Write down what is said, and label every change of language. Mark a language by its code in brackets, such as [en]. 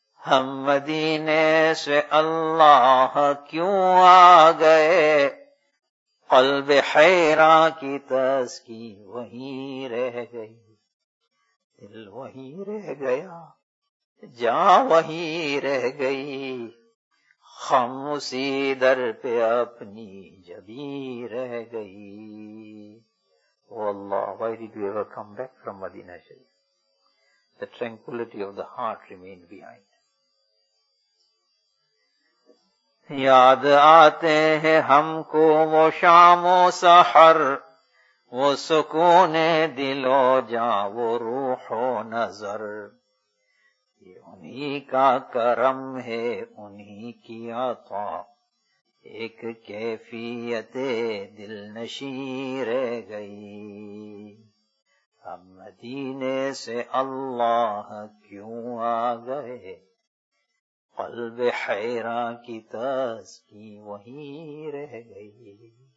[ur] ہم مدینے سے اللہ کیوں آ گئے قلب حیران کی تسکین وہی رہ گئی دل وہیں رہ گیا جا وہیں رہ گئی خم اسی در پہ اپنی جبی رہ گئی واللہ [en] why did you ever come back from Madina Sharif? The tranquility of the heart remained behind. [ur] یاد آتے ہیں ہم کو وہ شام و سحر وہ سکون دل و جاں وہ روح و نظر یہ انہی کا کرم ہے انہی کی عطا ایک کیفیت دل نشین رہ گئی ہم مدینے سے اللہ کیوں آ گئے قلب حیران کی تسکین وہیں رہ گئی